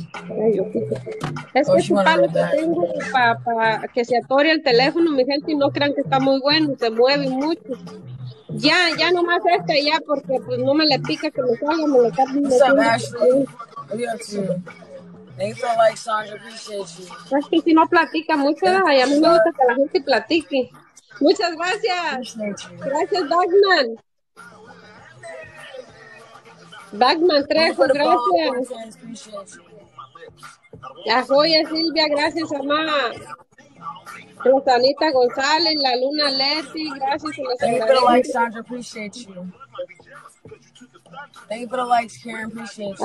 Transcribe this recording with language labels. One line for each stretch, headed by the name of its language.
Spanish: Ay, es que es un palo que tengo para que se atore el teléfono, mi gente, y no crean que está muy bueno, se mueve mucho. Ya nomás este ya, porque pues no me le pica que me salga, me lo está
English: What's up, Ashley? What are you up to? Thanks for like, Sandra, appreciate you.
Spanish: Es que si no platica mucho, y a mí me gusta que la gente platique. Muchas gracias. Gracias, Bagman. Bagman Trejo, gracias. La joya, Silvia, gracias, mamá. Rosanita González, la Luna Leti, gracias por
English: la Thank you for the likes, Sandra, appreciate you. Thank you for the likes, Karen, appreciate you.